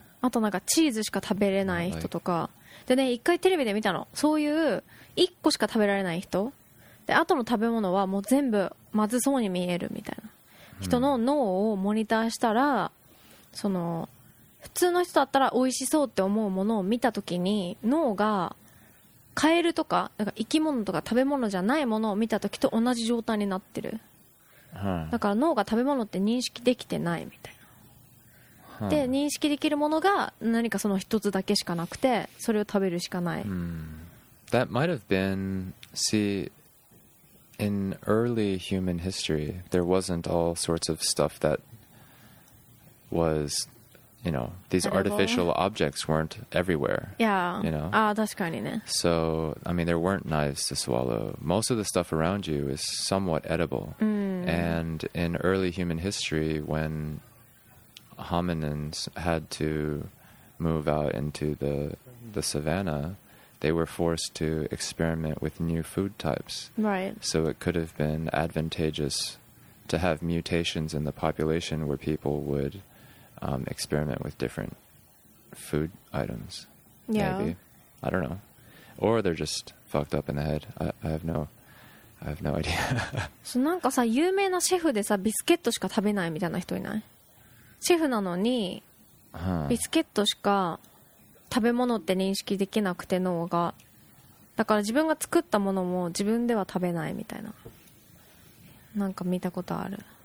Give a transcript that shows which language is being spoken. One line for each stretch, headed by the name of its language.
Japanese: あとなんかチーズしか食べれない人とか、でね、一回テレビで見たの、そういう1個しか食べられない人で、あとの食べ物はもう全部まずそうに見えるみたいな人の脳をモニターしたら、その普通の人だったら美味しそうって思うものを見たときに、脳がカエルと か, なんか生き物とか食べ物じゃないものを見たときと同じ状態になってる、だから脳が食べ物って認識できてないみたいな、で認識できるものが何かその一つだけしかなくて、それを食べるしかない。
English: That might have been, see, in early human history, there wasn't all sorts of stuff that was you know, these artificial objects weren't everywhere. Yeah. You know?
Japanese: Ah, 確かにね。
English: So, I mean, there weren't knives to swallow. Most of the stuff around you is somewhat edible. Mm. And in early human history, when hominins had to move out into the savannah, they were forced to experiment with new food types. Right. So it could have been advantageous to have mutations in the population where people would experiment with different food items. Yeah. Maybe. I don't know. Or they're just fucked up in the head. I have no idea.
Japanese: So, なんかさ、有名なシェフでさ、ビスケットしか食べないみたいな人いない？シェフなのに、ビスケットしか食べ物って認識できなくて脳が。だから自分が作ったものも自分では食べないみたいな。なんか見たことある。